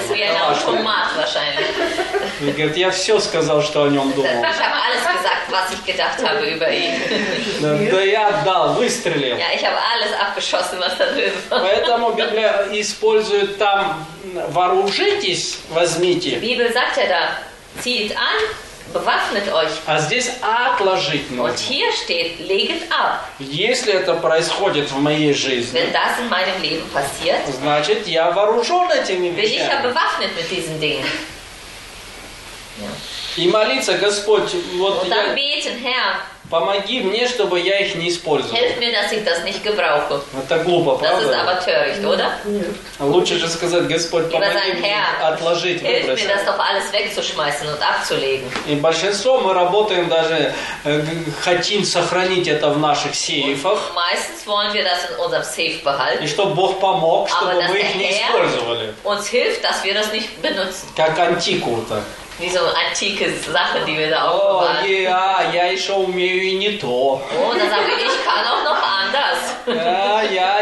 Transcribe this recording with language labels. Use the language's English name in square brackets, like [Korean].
[German] Das ist wie ein Automat, wahrscheinlich. [Russian] И говорит, я все сказал, что о нем думал. [German] Ich habe alles gesagt, was ich gedacht habe über ihn. [Russian] Да я отдал, выстрелил. [German] Ja, ich habe alles abgeschossen, was da drin war. [Russian] Поэтому Библия использует там вооружитесь, возьмите. [German] Bibel sagt ja da, zieht an, bewaffnet euch. [Russian] А здесь отложить нужно. [German] Und hier steht, legt ab. [Russian] Если это происходит в моей жизни, [German] wenn das in meinem Leben passiert, [Russian] значит, я вооружен этими вещами. [German] Bin ich ja bewaffnet mit diesen Dingen. [Russian] И молиться, Господь, вот [German] und dann beten, Herr. [Russian] Помоги мне, чтобы я их не использовал. [German] Helf mir, dass ich das nicht gebrauche. [Russian] Это глупо, правда? [German] Das ist aber töricht, oder? [Russian] Лучше же сказать, Господь, помоги мне отложить выбросить. [German] Helf mir, das doch alles wegzuschmeißen und abzulegen. [Russian] И большинство мы работаем даже, хотим сохранить это в наших сейфах. [German] Und meistens wollen wir das in unserem safe behalten. [Russian] И чтобы Бог помог, чтобы мы их не использовали. [German] Uns hilft, dass wir das nicht benutzen. [Russian] Как антику так. [German] Wie so antike Sache, die wir da aufbewahren. [Russian] Oh, ja, [English] yeah, [Russian] я еще умею и не то. [German] Oh, dann sage ich, ich kann auch noch anders.